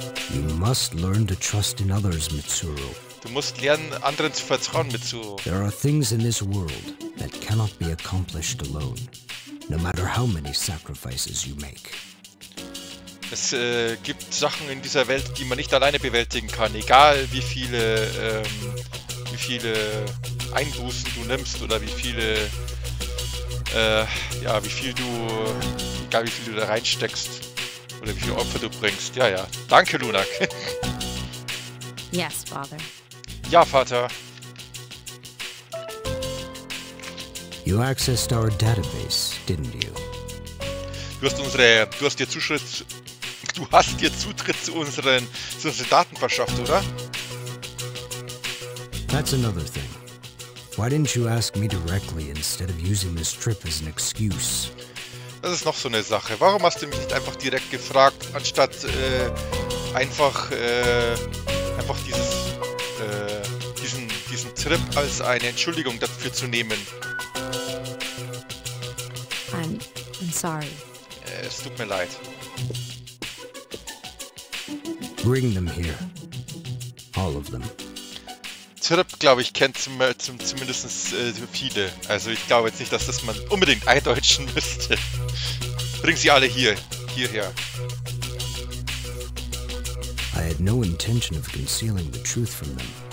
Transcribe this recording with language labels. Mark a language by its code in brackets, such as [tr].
[en] You must learn to trust in others, Mitsuru. [de] Du musst lernen, anderen zu vertrauen, Mitsuru. [en] There are things in this world that cannot be accomplished alone, no matter how many sacrifices you make. [de] Es gibt Sachen in dieser Welt, die man nicht alleine bewältigen kann, egal wie viele Einbußen du nimmst oder wie viel du da reinsteckst oder wie viele Opfer du bringst. Ja. Danke, Lunak. [en] Yes, Father. [de] Ja, Vater. [en] You accessed our database, didn't you? [de] Du hast dir Zutritt zu unseren Daten verschafft, oder? [en] That's another thing. Why didn't you ask me directly instead of using this trip as an excuse? [de] Das ist noch so eine Sache. Warum hast du mich nicht einfach direkt gefragt, anstatt diesen Trip als eine Entschuldigung dafür zu nehmen? [en] I'm sorry. [de] Es tut mir leid. [en] Bring them here. All of them. [de] Trip, glaube ich, kennt zumindest viele. Also ich glaube jetzt nicht, dass das man unbedingt eindeutschen müsste. Bring sie alle hierher. [en] I had no intention of concealing the truth from them.